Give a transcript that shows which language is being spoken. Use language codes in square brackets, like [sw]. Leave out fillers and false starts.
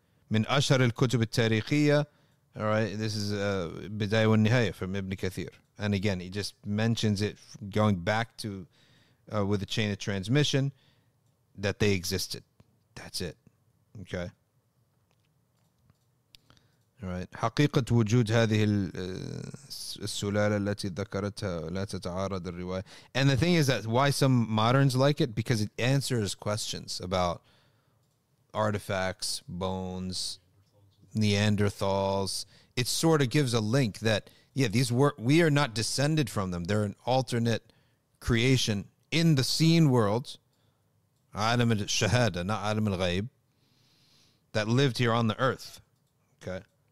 [ar] Min ashar al-kutub al-tariqiyya. [en] All right, this is Bidayah wa Nihaya from Ibn Kathir. And again, he just mentions it going back to with the chain of transmission that they existed. That's it. Okay. All right. [ar] حقيقه وجود هذه السلاله التي ذكرتها لا تتعارض الروايه. [en] And the thing is that why some moderns like it, because it answers questions about artifacts, bones, Neanderthals. It sort of gives a link that, yeah, these were, we are not descended from them. They're an alternate creation in the seen world, Adam al-Shahada, not Adam al-Ghaib, that lived here on the earth. Okay.